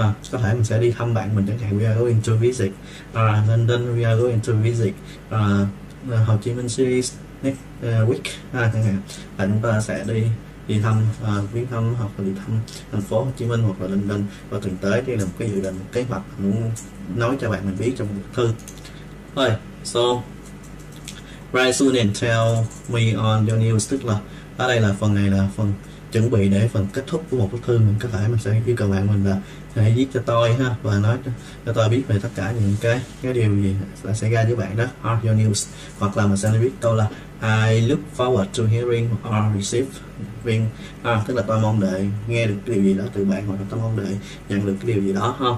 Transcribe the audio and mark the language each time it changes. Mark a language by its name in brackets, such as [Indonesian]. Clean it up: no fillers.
[Vietnamese] Có thể mình sẽ đi thăm bạn mình chẳng hạn, [English] we are going to visit London, we are going to visit Hồ Chí Minh City next week [Vietnamese] chẳng hạn, là chúng ta sẽ đi đi thăm viếng thăm hoặc là đi thăm thành phố Hồ Chí Minh hoặc là London vào tuần tới. Đây là một cái dự định, một kế hoạch muốn nói cho bạn mình biết trong một thư thôi. [English] So, write soon and tell me on your news. [Vietnamese] Tức là ở đây là phần này là phần chuẩn bị để phần kết thúc của một bức thư. Mình có thể mình sẽ yêu cầu bạn mình là hãy viết cho tôi ha, và nói cho tôi biết về tất cả những cái điều gì là xảy ra với bạn đó, [English] on your news. [Vietnamese] Hoặc là mình sẽ viết câu là [English] I look forward to hearing or receive, [Vietnamese] tức là tôi mong đợi nghe được cái điều gì đó từ bạn, hoặc là tôi mong đợi nhận được cái điều gì đó ha.